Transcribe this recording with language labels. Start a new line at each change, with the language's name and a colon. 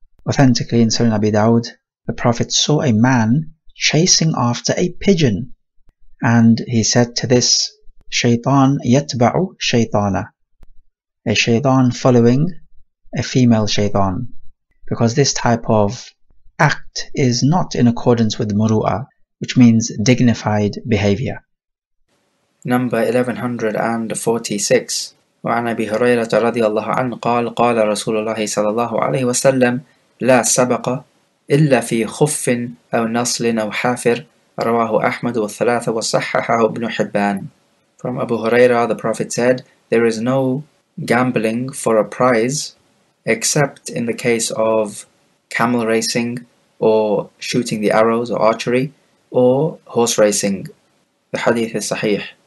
English: Authentically in Sunan Abi Dawud, the Prophet saw a man chasing after a pigeon, and he said to this,
Arabic: "Shaytan yatba'u shaytana,"
English: a shaytan following a female shaytan, because this type of act is not in accordance with murua, which means dignified behavior. Number 1146.
Arabic: وعن أبي هريرة رضي الله عنه قال قال رسول الله صلى الله عليه وسلم لا سبق إلا في خف أو نصل أو حافر رواه أحمد والثلاثة وصححه ابن حبان.
English: From Abu Huraira, the Prophet said, there is no gambling for a prize except in the case of camel racing or shooting the arrows or archery or horse racing. The hadith is sahih.